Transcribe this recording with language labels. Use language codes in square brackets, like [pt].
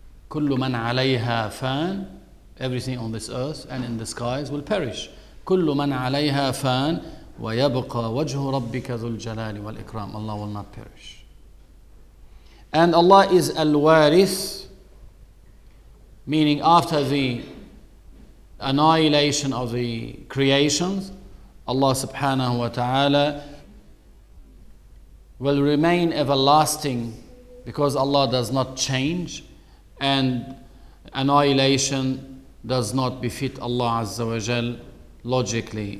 [ar] كُلُّ مَنْ عَلَيْهَا فَانْ, [en] everything on this earth and in the skies will perish. [ar] كُلُّ مَنْ عَلَيْهَا فَانْ وَيَبْقَى وَجْهُ رَبِّكَ ذُو الْجَلَالِ وَالْإِكْرَامِ, [en] Allah will not perish. And Allah is al-Warith, meaning after the annihilation of the creations, Allah subhanahu wa ta'ala will remain everlasting, because Allah does not change, and annihilation does not befit Allah Azza wa Jal logically.